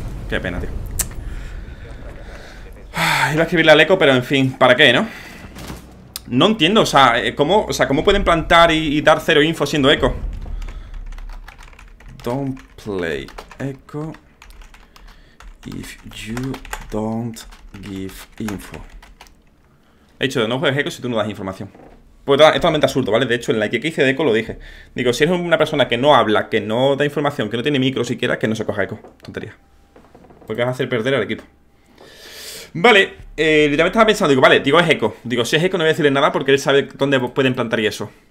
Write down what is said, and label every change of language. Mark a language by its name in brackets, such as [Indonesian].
[Spanish] Qué pena, tío. Iba a escribirle al Echo, pero en fin, ¿para qué, no? No entiendo, o sea, cómo pueden plantar y dar cero info siendo Echo. [English] Don't play Echo if you don't give info. [Spanish] He dicho, no juegues Echo si tú no das información. Pues es totalmente absurdo, ¿vale? De hecho, en la que hice de Echo lo dije. Digo, si eres una persona que no habla, que no da información, que no tiene micro siquiera, que no se coja Echo. Tontería. Porque vas a hacer perder al equipo. Vale, literalmente estaba pensando, digo, vale, digo, es Echo. Digo, si es Echo no voy a decirle nada porque él sabe dónde pueden plantar y eso.